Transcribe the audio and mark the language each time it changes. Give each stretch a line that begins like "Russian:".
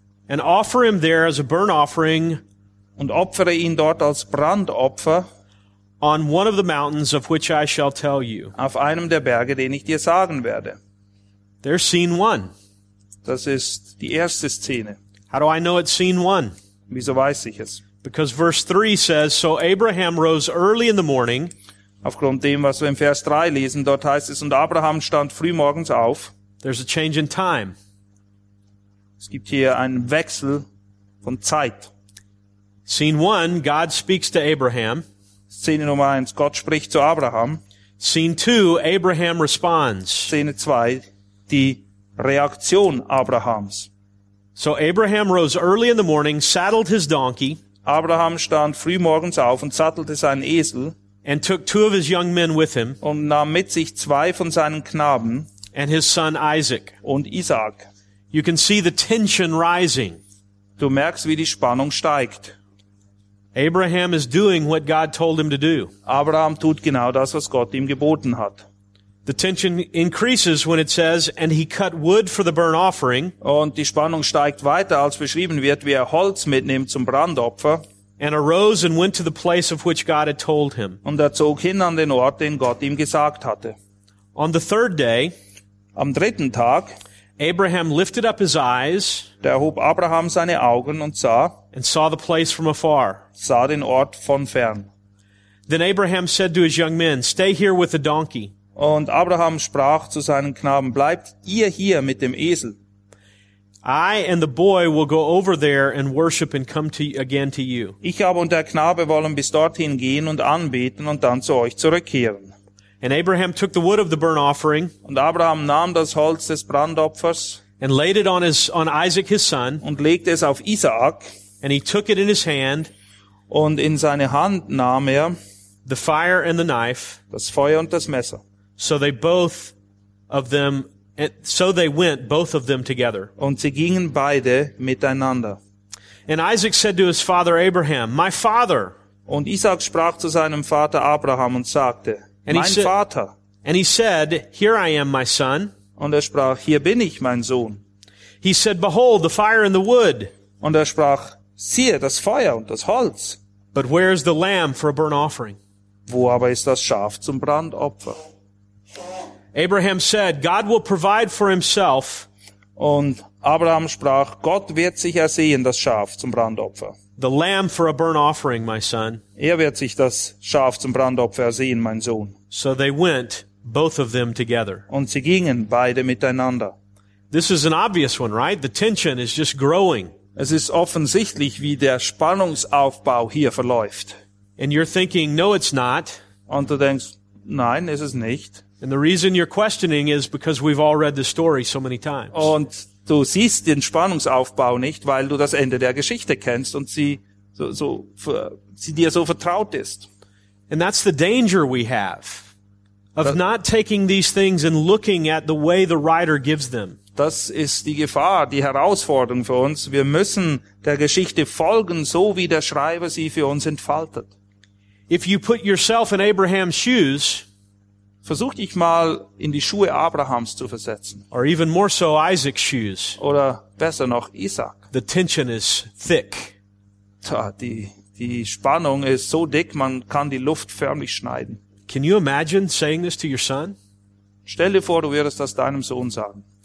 English: And offer him there as a burnt offering.
German: Und opfere ihn dort als Brandopfer.
English: On one of the mountains of which I shall tell you.
German: Auf einem der Berge, den ich dir sagen werde.
English: There's scene one.
German: Das ist die erste Szene.
English: How do I know it's scene one?
German: Wieso weiß ich es?
English: Because verse 3 says, so Abraham rose early in the morning.
German: Aufgrund dem, was wir im Vers 3 lesen, dort heißt es, und Abraham stand früh morgens auf.
English: There's a change in time.
German: Es gibt hier einen Wechsel von Zeit.
English: Scene 1, God speaks to Abraham.
German: Szene Nummer 1, Gott spricht zu Abraham.
English: Scene 2, Abraham responds.
German: Szene 2, die Reaktion Abrahams.
English: So Abraham rose early in the morning, saddled his donkey.
German: Abraham stand früh morgens auf und sattelte seinen Esel.
English: And took two of his young men with him.
German: Und nahm mit sich zwei von seinen Knaben.
English: And his son Isaac.
German: Und Isaac.
English: You can see the tension rising.
German: Du merkst, wie die Spannung steigt.
English: Abraham is doing what God told him to do.
German: Abraham tut genau das, was Gott ihm geboten hat.
English: The tension increases when it says, and he cut wood for the burnt offering.
German: Und die Spannung steigt weiter, als beschrieben wird, wie er Holz mitnimmt zum Brandopfer.
English: And arose and went to the place of which God had told him.
German: Und er zog hin an den Ort, den Gott ihm gesagt hatte.
English: On the third day,
German: am dritten Tag,
English: Abraham lifted up his eyes,
German: da erhob Abraham seine Augen und sah,
English: and saw the place from afar,
German: sah den Ort von fern.
English: Then Abraham said to his young men, stay here with the donkey.
German: Und Abraham sprach zu seinen Knaben, bleibt ihr hier mit dem Esel.
English: I and the boy will go over there and worship and come to again to you.
German: Ich aber und der Knabe wollen bis dorthin gehen und anbeten und dann zu euch zurückkehren.
English: And Abraham took the wood of the burnt offering.
German: Und Abraham nahm das Holz des Brandopfers.
English: And laid it on Isaac his son.
German: Und legte es auf Isaac.
English: And he took it in his hand.
German: Und in seine Hand nahm er
English: the fire and the knife.
German: Das Feuer und das Messer.
English: So they both of them And so they went, both of them together.
German: Und sie gingen beide miteinander.
English: And Isaac said to his father Abraham, "My father."
German: Und Isaac sprach zu seinem Vater Abraham und sagte, "Mein Vater."
English: And he said, "Here I am, my son."
German: Und sprach, "Hier bin ich, mein Sohn."
English: He said, "Behold, the fire and the wood."
German: Und sprach, "Siehe, das Feuer und das Holz."
English: But where is the lamb for a burnt offering?
German: Wo aber ist das Schaf zum Brandopfer?
English: Abraham said, "God will provide for himself."
German: Und Abraham sprach, Gott wird sich ersehen, das Schaf zum Brandopfer.
English: The lamb for a burnt offering, my son.
German: Er wird sich das Schaf zum Brandopfer ersehen, mein Sohn.
English: So they went, both of them together.
German: Und sie gingen beide miteinander.
English: This is an obvious one, right? The tension is just growing.
German: Es ist offensichtlich, wie der Spannungsaufbau hier verläuft.
English: And you're thinking, no, it's not.
German: Und du denkst, nein, ist es nicht.
English: And the reason you're questioning is because we've all read the story so many times.
German: Und du siehst den Spannungsaufbau nicht, weil du das Ende der Geschichte kennst und sie dir so vertraut ist.
English: And that's the danger we have of not taking these things and looking at the way the writer gives them.
German: Das ist die Gefahr, die Herausforderung für uns. Wir müssen der Geschichte folgen, so wie der Schreiber sie für uns entfaltet.
English: If you put yourself in Abraham's shoes,
German: versuch dich mal in die Schuhe Abrahams zu versetzen.
English: Or even more so, Isaac's shoes.
German: Oder besser noch, Isaac.
English: The tension is thick.
German: Die Spannung ist so dick, man kann die Luft förmlich schneiden.
English: Can you imagine saying this to your son?
German: Stell dir vor, du würdest das deinem Sohn sagen.